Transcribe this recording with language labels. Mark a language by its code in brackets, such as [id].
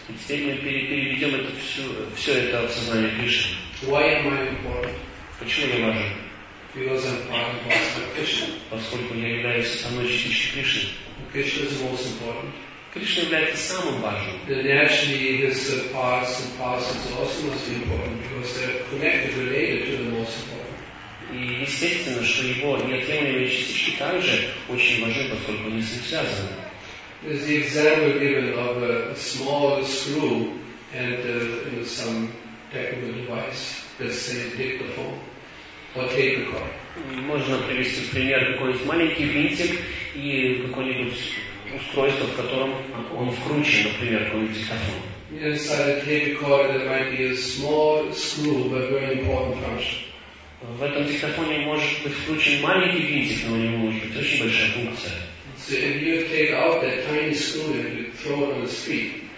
[ru] И теперь мы переведем это все это в сознание Кришны. [en] Why am I important? [ru] Почему я важен? [en] Because I'm part of [ru] Господа [en] Кришна. [ru] Поскольку я являюсь самой частичкой Кришны. [en] Krishna is most important. [ru] Кришна является самым важным. [en] Then actually his parts and parcels also must be important because they're connected, related to the most important. [ru] И естественно, что его неотъемлемые частички также очень важны, поскольку они с ним связаны. [en] There's the example given of a small screw and some technical device, let's say dictaphone or tape recorder. [ru] Можно привести пример какой-нибудь маленький винтик и какое-нибудь устройство, в котором он вкручен, например, какой-нибудь диктофон. [en] Inside a tape recorder there might be a small screw, but very important function. [ru] В этом диктофоне может быть вкручен маленький винтик, но у него может быть очень большая функция. [en] So if you take out that tiny screw and you throw it on the street,